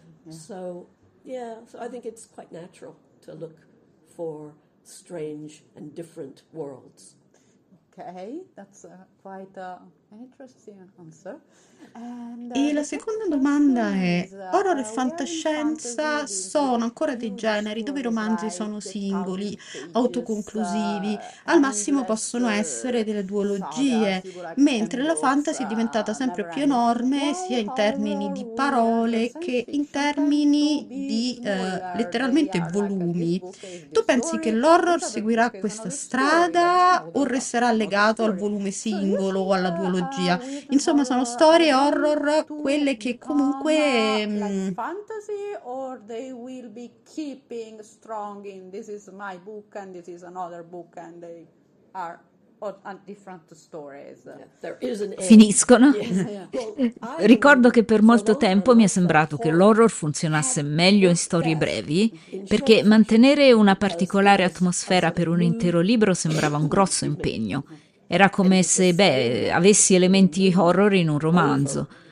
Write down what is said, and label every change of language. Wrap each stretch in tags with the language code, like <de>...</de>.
<en>So I think it's quite natural to look for strange and different worlds. Okay, that's quite an interesting answer.</en> <it>E la seconda domanda è: horror e fantascienza sono ancora dei generi dove i romanzi sono singoli, autoconclusivi, al massimo possono essere delle duologie, mentre la fantasy è diventata sempre più enorme sia in termini di parole che in termini di letteralmente volumi. Tu pensi che l'horror seguirà questa strada o resterà legato al volume singolo o alla duologia? Insomma, sono storie horror quelle che comunque</it> <en>fantasy or they will be keeping strong in this is my book and this is another book and they are different stories.</en> <it>Finiscono. Ricordo che per molto tempo mi è sembrato che l'horror funzionasse meglio in storie brevi, perché mantenere una particolare atmosfera per un intero libro sembrava un grosso impegno. Era come se, avessi elementi horror in un romanzo.</it>